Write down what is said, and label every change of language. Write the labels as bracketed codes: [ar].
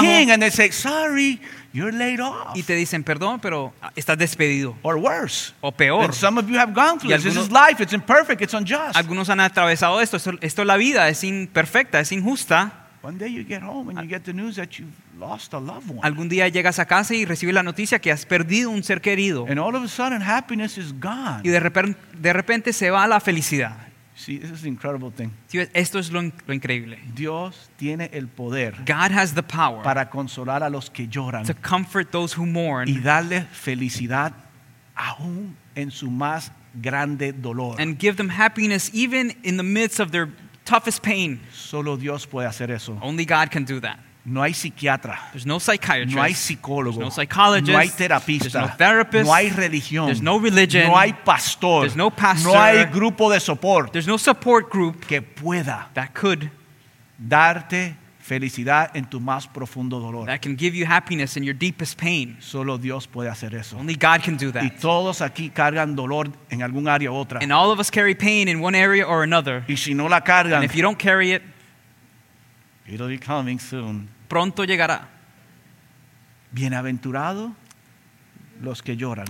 [en] King, and they say, "Sorry, you're laid off." [es] Y te dicen, "Perdón, pero estás despedido." [en] Or worse. [es] O peor. [en] And some of you have gone through this. This is life. It's imperfect. It's unjust. [es] Algunos han atravesado esto. Esto es la vida. Es imperfecta. Es injusta. [en] One day you get home and you get the news that you've lost a loved one. [es] Algún día llegas a casa y recibes la noticia que has perdido un ser querido. [en] And all of a sudden, happiness is gone. [es] Y de repente se va la felicidad. [en] See, this is an incredible thing. [es] Esto es lo increíble. Dios tiene el poder. [en] God has the power [es] para consolar a los que lloran. [en] To comfort those who mourn. [es] Y darle felicidad aún en su más grande dolor. [en] And give them happiness even in the midst of their toughest pain. [es] Solo Dios puede hacer eso. [en] Only God can do that. [es] No hay psiquiatra. [en] There's no psychiatrist. [es] No hay psicólogo. [en] There's no psychologist. [es] No hay terapista. [en] There's no therapist. [es] No hay religión. [en] There's no religion. [es] No hay pastor. [en] There's no pastor. [es] No hay grupo de soporte. [en] There's no support group [es] que pueda [en] that could [es] darte felicidad en tu más profundo dolor. [en] That can give you happiness in your deepest pain. [es] Solo Dios puede hacer eso. [en] Only God can do that. [es] Y todos aquí cargan dolor en algún área u otra. [en] And all of us carry pain in one area or another. [es] Y si no la cargan, [en] and if you don't carry it, it'll be coming soon. [es] Pronto llegará. Bienaventurado los que lloran.